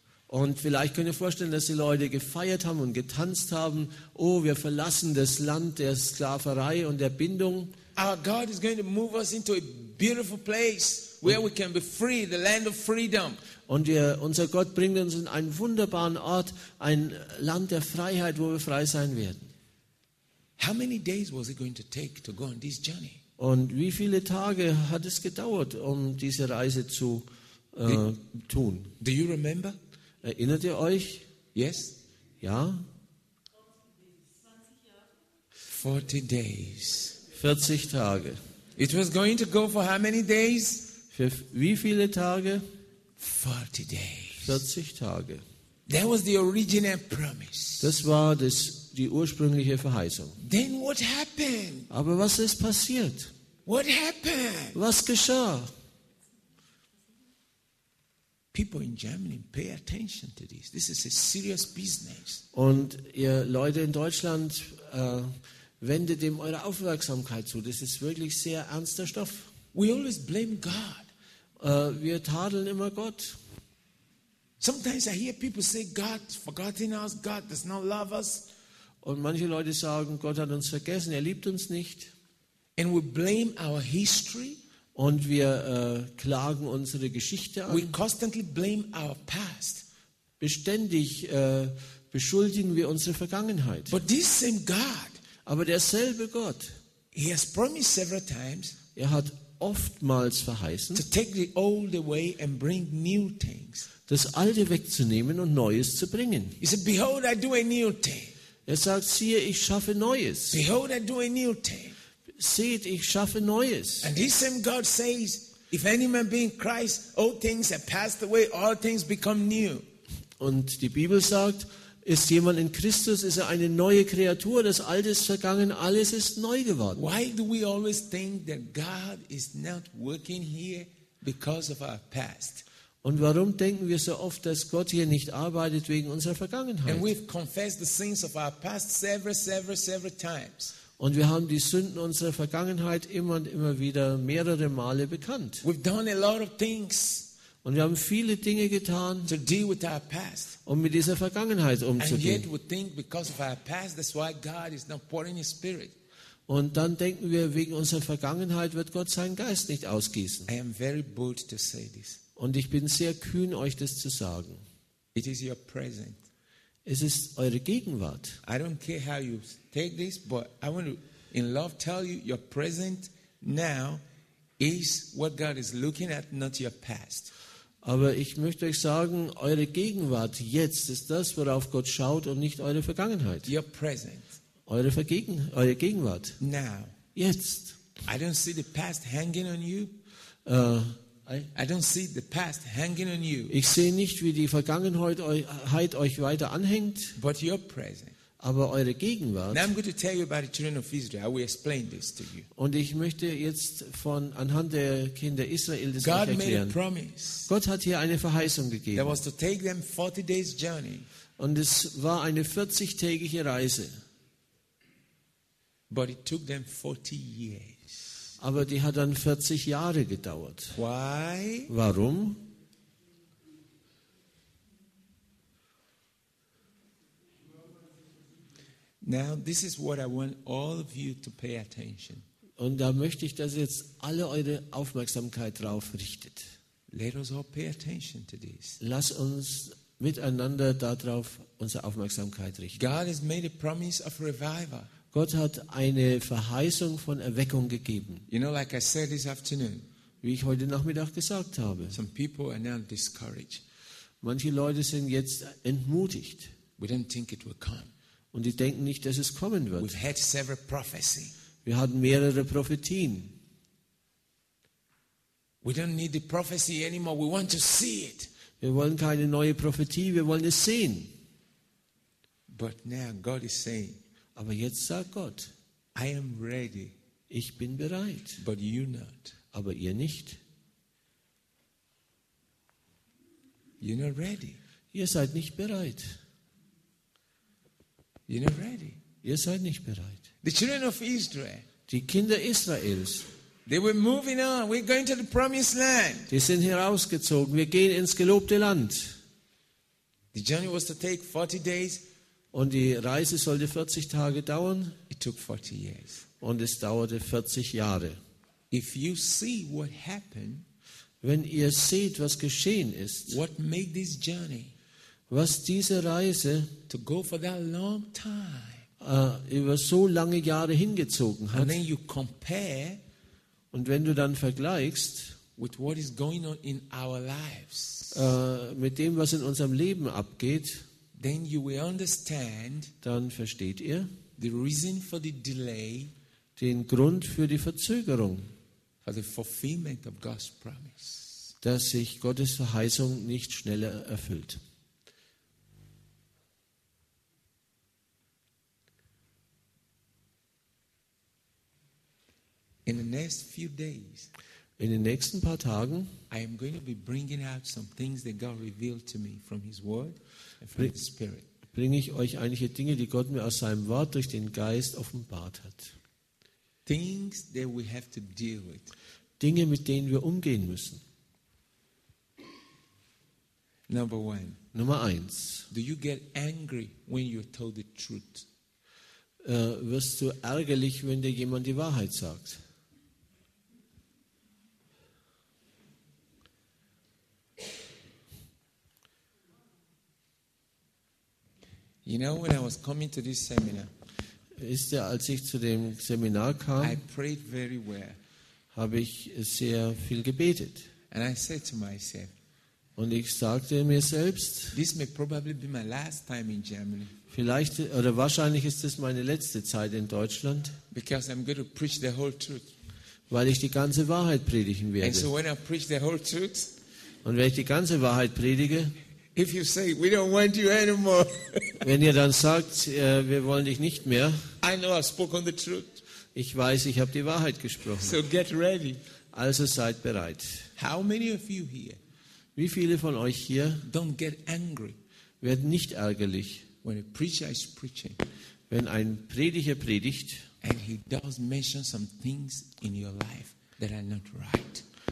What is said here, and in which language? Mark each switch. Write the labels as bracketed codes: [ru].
[de] Und vielleicht könnt ihr vorstellen, dass die Leute gefeiert haben und getanzt haben. Oh, wir verlassen das Land der Sklaverei und der Bindung. [en] Our God is going to move us into a beautiful place where we can be free, the land of freedom. [de] Und unser Gott bringt uns in einen wunderbaren Ort, ein Land der Freiheit, wo wir frei sein werden. [en] How many days was it going to take to go on this journey? [de] Und wie viele Tage hat es gedauert, um diese Reise zu tun? [en] Do you remember? [de] Erinnert ihr euch? [en] Yes. [de] Ja. [en] 40 days. [de] 40 Tage. [en] It was going to go for how many days? [de] Für wie viele Tage? [en] 40 days. [de] 40 Tage. [en] That was the original promise. [de] Das war die ursprüngliche Verheißung. [en] Then what happened? [de] Aber was ist passiert? [en] What happened? [de] Was geschah? [en] People in Germany, pay attention to this. This is a serious business. [de] Und ihr Leute in Deutschland, wendet dem eure Aufmerksamkeit zu. Das ist wirklich sehr ernster Stoff. [en] We always blame God. [de] Wir tadeln immer Gott. [en] Sometimes I hear people say God forgotten us, God does not love us. [de] Und manche Leute sagen, Gott hat uns vergessen, er liebt uns nicht. [en] And we blame our history. [de] Und wir klagen unsere Geschichte an. [en] We constantly blame our past. [de] Beständig beschuldigen wir unsere Vergangenheit. [en] But this same God, [de] aber derselbe Gott, [en] he has promised several times, [de] er hat oftmals verheißen, [en] to take the old away and bring new things. [de] Das Alte wegzunehmen und Neues zu bringen. [en] He said, "Behold, I do a new thing." [de] Er sagt, siehe, ich schaffe Neues. [en] Behold, I do a new thing. [de] Seht, ich schaffe Neues. [en] And this same God says, if any man be in Christ, all things have passed away, all things become new. [de] Und die Bibel sagt, ist jemand in Christus, ist er eine neue Kreatur, das Alte ist vergangen, alles ist neu geworden. [en] Why do we always think that God is not working here because of our past? [de] Und warum denken wir so oft, dass Gott hier nicht arbeitet wegen unserer Vergangenheit? [en] And we've confessed the sins of our past several times. [de] Und wir haben die Sünden unserer Vergangenheit immer und immer wieder mehrere Male bekannt. [en] We've done a lot of things. [de] Und wir haben viele Dinge getan, [en] to deal with our past. [de] Um mit dieser Vergangenheit umzugehen. [en] And yet we think because of our past, that's why God is not pouring His Spirit. [de] Und dann denken wir, wegen unserer Vergangenheit wird Gott seinen Geist nicht ausgießen. [en] I am very bold to say this. [de] Und ich bin sehr kühn, euch das zu sagen. [en] It is your present. [de] Es ist eure Gegenwart. [en] I don't care how you take this, but I want to in love tell you your present now is what God is looking at, not your past. [de] Aber ich möchte euch sagen, eure Gegenwart jetzt ist das, worauf Gott schaut und nicht eure Vergangenheit. [en] Your present. [de] Eure Gegenwart. [en] Now. [de] Jetzt. [en] I don't see the past hanging on you. I don't see the past hanging on you. [de] Ich sehe nicht, wie die Vergangenheit euch weiter anhängt. [en] But your present. [de] Aber eure Gegenwart. [en] Now I'm going to tell you about the children of Israel. I will explain this to you. [de] Und ich möchte jetzt anhand der Kinder Israel das euch erklären. [en] God made a promise. [de] Gott hat hier eine Verheißung gegeben. [en] That was to take them 40 days journey. [de] Und es war eine 40-tägige Reise. [en] But it took them 40 years. [de] Aber die hat dann 40 Jahre gedauert. [en] Why? [de] Warum? [en] Now this is what I want all of you to pay attention. [de] Und da möchte ich, dass ihr jetzt alle eure Aufmerksamkeit drauf richtet. [en] Let us all pay attention to this. [de] Lass uns miteinander darauf unsere Aufmerksamkeit richten. [en] God has made a promise of revival. [de] Gott hat eine Verheißung von Erweckung gegeben. [en] You know, like I said this afternoon, [de] wie ich heute Nachmittag gesagt habe, [en] some people are now discouraged. [de] Manche Leute sind jetzt entmutigt. [en] We don't think it will come. [de] Und die denken nicht, dass es kommen wird. [en] We've had several prophecy. [de] Wir hatten mehrere Prophetien. [en] We don't need the prophecy anymore. We want to see it. [de] Wir wollen keine neue Prophetie, wir wollen es sehen. [en] But now God is saying, [de] aber jetzt sagt Gott, [en] I am ready, [de] ich bin bereit, [en] but you not. [de] Aber ihr nicht. [en] You're not ready. [de] Ihr seid nicht bereit. [en] You're not ready. [de] Ihr seid nicht bereit. [en] The children of Israel, [de] die Kinder Israels, [en] they were moving on. We're going to the promised land. [de] Die sind herausgezogen. Wir gehen ins gelobte Land. [en] The journey was to take 40 days. [de] Und die Reise sollte 40 Tage dauern. [en] It took 40 years. [de] Und es dauerte 40 Jahre. [en] If you see what happened, [de] wenn ihr seht, was geschehen ist, [en] what made this journey, [de] was diese Reise [en] to go for that long time, [de] über so lange Jahre hingezogen hat, [en] and then you compare, [de] und wenn du dann vergleichst [en] with what is going on in our lives, [de] mit dem, was in unserem Leben abgeht, [en] then you will understand, [de] dann versteht ihr [en] the reason for the delay, [de] den Grund für die Verzögerung, [en] for the fulfillment of God's promise, [de] dass sich Gottes Verheißung nicht schneller erfüllt. [en] In the next few days, [de] in den nächsten paar Tagen, [en] I am going to be bringing out some things that God revealed to me from His Word and from His Spirit. [de] Bringe ich euch einige Dinge, die Gott mir aus seinem Wort durch den Geist offenbart hat. [en] Things that we have to deal with. [de] Dinge, mit denen wir umgehen müssen. [en] Number one. [de] Nummer eins. [en] Do you get angry when you're told the truth? [de] Wirst du ärgerlich, wenn dir jemand die Wahrheit sagt? [en] You know, when I was coming to this seminar, [de] ist ja, als ich zu dem Seminar kam, [en] I prayed very well, [de] habe ich sehr viel gebetet. [en] And I said to myself, [de] und ich sagte mir selbst, [en] this may probably be my last time in Germany. [de] Vielleicht oder wahrscheinlich ist es meine letzte Zeit in Deutschland, [en] because I'm going to preach the whole truth, [de] weil ich die ganze Wahrheit predigen werde. [en] And so when I preach the whole truth, [de] und wenn ich die ganze Wahrheit predige, [en] if you say, we don't want you anymore, [de] wenn ihr dann sagt, wir wollen dich nicht mehr, [en] I know I've spoken the truth. [de] Ich weiß, ich habe die Wahrheit gesprochen. [en] So get ready. [de] Also seid bereit. [en] How many of you here, [de] wie viele von euch hier, [en] don't get angry, [de] werden nicht ärgerlich, [en] when a preacher is preaching, [de] wenn ein Prediger predigt, [en] and he does mention some things in your life that are not right,